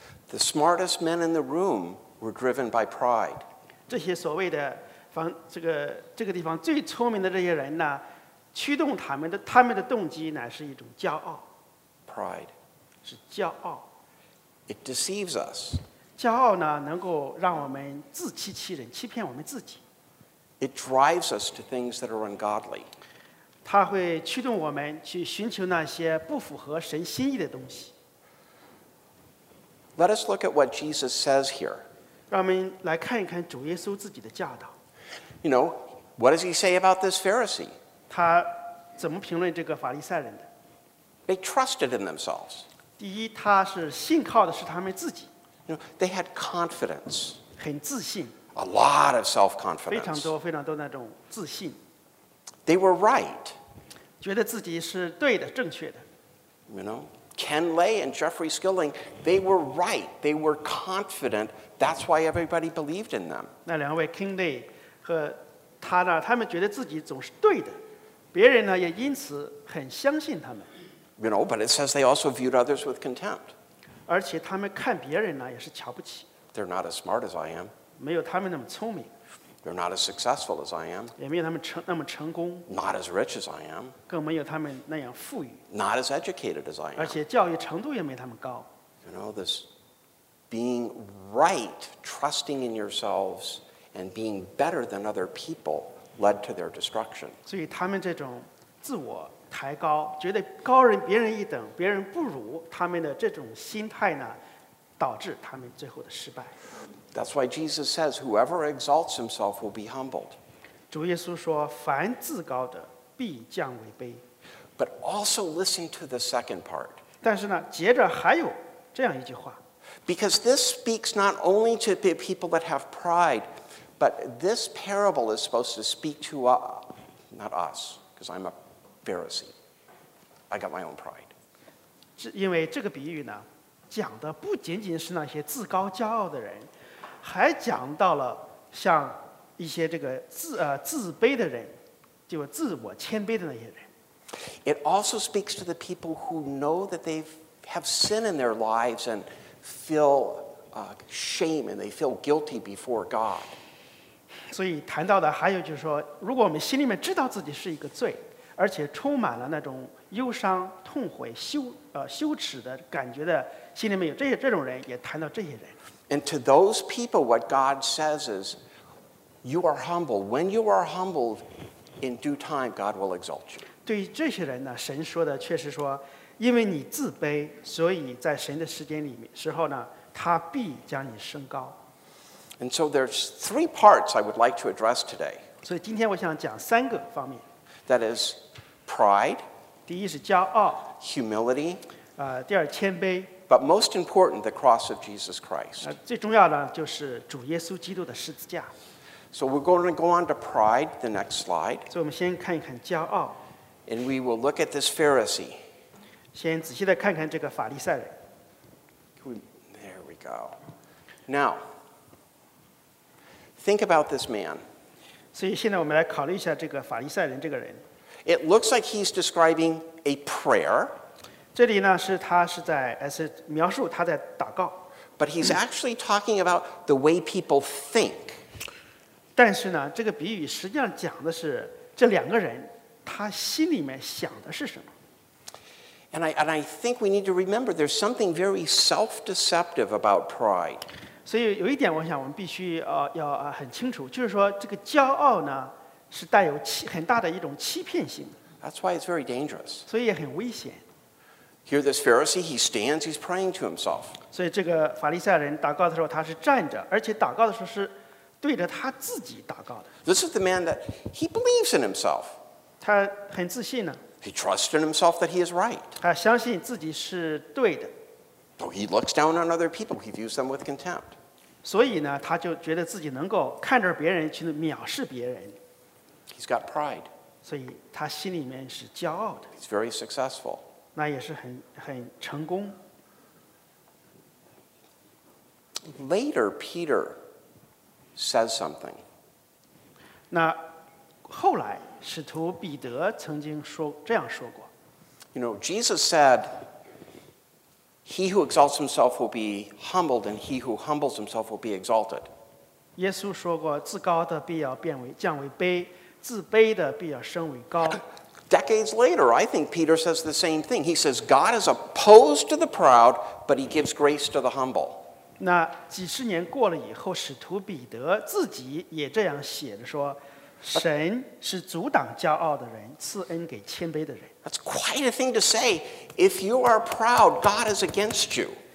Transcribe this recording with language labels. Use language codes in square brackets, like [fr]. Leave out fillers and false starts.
[en] The smartest men in the room were driven by pride. [zh] 这些所谓的这个地方最聪明的这些人呢。驱动他们的动机乃是一种骄傲 [en] ，pride， [zh] 是骄傲。 [en] It deceives us. [zh] 骄傲呢，能够让我们自欺欺人，欺骗我们自己。 [en] It drives us to things that are ungodly. [zh] 它会驱动我们去寻求那些不符合神心意的东西。 [en] Let us look at what Jesus says here. [zh] 让我们来看一看主耶稣自己的教导。 [en] You know, what does he say about this Pharisee? [zh] 他怎么评论这个法利赛人的 [en] ？They trusted in themselves. [zh] 第一，他是信靠的是他们自己。 [en] You know, they had confidence. [zh] 很自信。 [en] A lot of self-confidence. [zh] 非常多非常多那种自信。 [en] They were right. [zh] 觉得自己是对的，正确的。 [en] You know, Ken Lay and Jeffrey Skilling, they were right. They were confident. That's why everybody believed in them. [zh] 那两位 Ken Lay 和他呢，他们觉得自己总是对的。别人呢也因此很相信他们。 [en] You know, but it says they also viewed others with contempt. [zh] 而且他们看别人呢也是瞧不起。 [en] They're not as smart as I am. [zh] 没有他们那么聪明。 [en] They're not as successful as I am. [zh] 也没有他们那么成功。 [en] Not as rich as I am. [zh] 更没有他们那样富裕。 [en] Not as educated as I am. [zh] 而且教育程度也没他们高。 [en] You know, this being right, trusting in yourselves, and being better than other people. Led to their destruction. [zh] 所以他们这种自我抬高，觉得高人别人一等，别人不如，他们的这种心态呢，导致他们最后的失败。 [en] That's why Jesus says, "Whoever exalts himself will be humbled." [zh] 主耶稣说，凡自高的必降为卑。 [en] But also listen to the second part. [zh] 但是呢，接着还有这样一句话。 [en] Because this speaks not only to the people that have pride. But this parable is supposed to speak to not us, because I'm a Pharisee. I got my own pride. [zh] 因为这个比喻呢，讲的不仅仅是那些自高骄傲的人，还讲到了像一些这个自卑的人，就自我谦卑的那些人。 [en] It also speaks to the people who know that they have sin in their lives and feel shame and they feel guilty before God. [zh] 所以谈到的还有就是说，如果我们心里面知道自己是一个罪，而且充满了那种忧伤、痛悔、羞耻的感觉的，心里面有这种人，也谈到这些人。 [en] And to those people, what God says is, you are humble. When you are humbled, in due time, God will exalt you. [zh] 对于这些人呢，神说的却是说，因为你自卑，所以在神的时间里面时候呢，他必将你升高。 [en] And so there's three parts I would like to address today. [zh] 所以今天我想讲三个方面。 [en] That is pride. [zh] 第一是骄傲。 [en] Humility. [zh] 第二谦卑。 [en] But most important, the cross of Jesus Christ. [zh] 最重要的就是主耶稣基督的十字架。 [en] So we're going to go on to pride, the next slide. [zh] 所以我们先看一看骄傲。 [en] And we will look at this Pharisee. [zh] 先仔细地看看这个法利赛人。 [en] There we go. Now,Think about this man. [zh] 所以现在我们来考虑一下这个法利赛人这个人。 [en] It looks like he's describing a prayer. [zh] 这里呢是他是在是描述他在祷告。 [en] But he's actually talking about the way people think. [zh] 但是呢，这个比喻实际上讲的是这两个人他心里面想的是什么。 [en] And I think we need to remember there's something very self-deceptive about pride. [zh] 所以有一点我想我们必须要很清楚，就是说这个骄傲呢是带有很大的一种欺骗性的。 [en] That's why it's very dangerous. [zh] 所以也很危险。 [en] Here this Pharisee, he stands, he's praying to himself. [zh] 所以这个法利赛人祷告的时候他是站着，而且祷告的时候是对着他自己祷告的。 [en] This is the man that he believes in himself. [zh] 他很自信呢。 [en] He trusts in himself that he is right. [zh] 他相信自己是对的。 [en] So he looks down on other people. He views them with contempt. [zh] 所以呢，他就觉得自己能够看着别人去藐视别人。 [en] He's got pride. [zh] 所以他心里面是骄傲的。 [en] He's very successful. [zh] 那也是很成功。 [en] Later, Peter says something. [zh] 那后来，使徒彼得曾经说这样说过。 [en] You know, Jesus said. He who exalts himself will be humbled, and he who humbles himself will be exalted. [zh] 耶稣说过，自高的必要变为降为卑，自卑的必要升为高。 [en] Decades later, I think Peter says the same thing. He says, God is opposed to the proud, but he gives grace to the humble. [zh] 那几十年过了以后，使徒彼得自己也这样写着说，神是阻挡骄傲的人，赐恩给谦卑的人。 [en] That's quite a thing to say. If you are proud, God is against you.